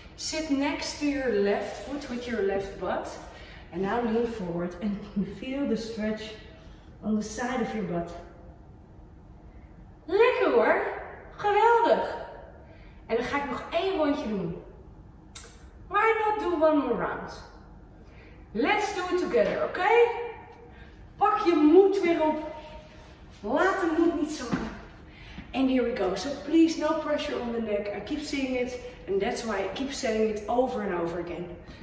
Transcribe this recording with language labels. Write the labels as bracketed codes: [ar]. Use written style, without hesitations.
[en] Sit next to your left foot with your left butt. And now lean forward and feel the stretch on the side of your butt. [nl] Lekker hoor. Geweldig. En dan ga ik nog 1 rondje doen. [en] Why not do 1 more round? Let's do it together, oké? Okay? [nl] Pak je moed weer op. Laat de moed niet zakken. [en] And here we go. So please, no pressure on the neck. I keep seeing it. And that's why I keep saying it over and over again.